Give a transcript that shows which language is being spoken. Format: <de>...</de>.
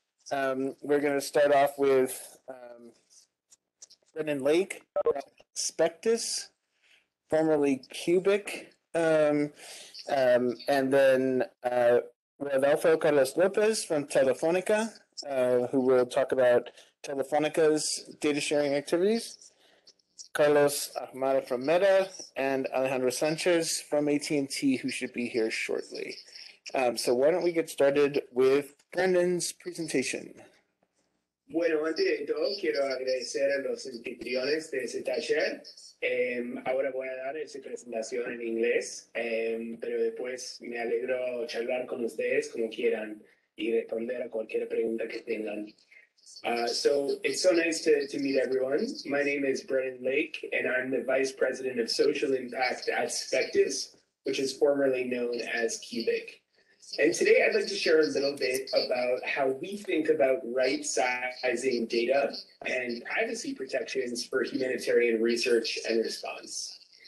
<en>We're going to start off with Brendan Lake, Spectus, formerly Cubic, and then Rodolfo Carlos Lopez from Telefónica, who will talk about Telefónica's data sharing activities. Carlos Ahumada from Meta and Alejandro Sanchez from AT&T, who should be here shortly. So why don't we get started with Brendan's presentation?</en> <es>Bueno, antes de todo, quiero agradecer a los anfitriones de ese taller. Ahora voy a dar esa presentación en inglés, pero después me alegro charlar con ustedes como quieran y responder a cualquier pregunta que tengan.</es> <en>So it's so nice to meet everyone. My name is Brennan Lake, and I'm the Vice President of Social Impact at Spectus, which is formerly known as Cubic. And today I'd like to share a little bit about how we think about right-sizing data and privacy protections for humanitarian research and response.</en>